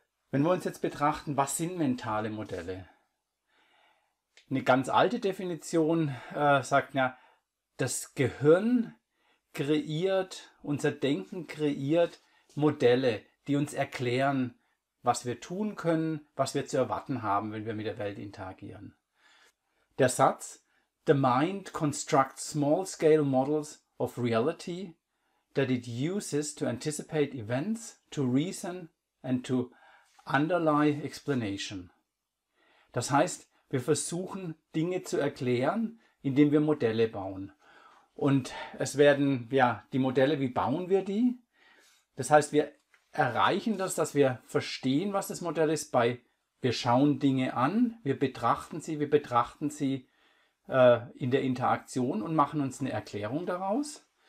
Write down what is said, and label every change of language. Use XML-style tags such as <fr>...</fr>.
<de>Wenn wir uns jetzt betrachten, was sind mentale Modelle? Eine ganz alte Definition sagt, ja, das Gehirn kreiert, unser Denken kreiert Modelle, die uns erklären, was wir tun können, was wir zu erwarten haben, wenn wir mit der Welt interagieren. Der Satz,</de> <en>the mind constructs small-scale models of reality that it uses to anticipate events, to reason and to underlie explanation.</en> <de>Das heißt, wir versuchen, Dinge zu erklären, indem wir Modelle bauen. Und es werden, ja, die Modelle, wie bauen wir die? Das heißt, wir erreichen das, dass wir verstehen, was das Modell ist, bei wir schauen Dinge an, wir betrachten sie in der Interaktion und machen uns eine Erklärung daraus.</de>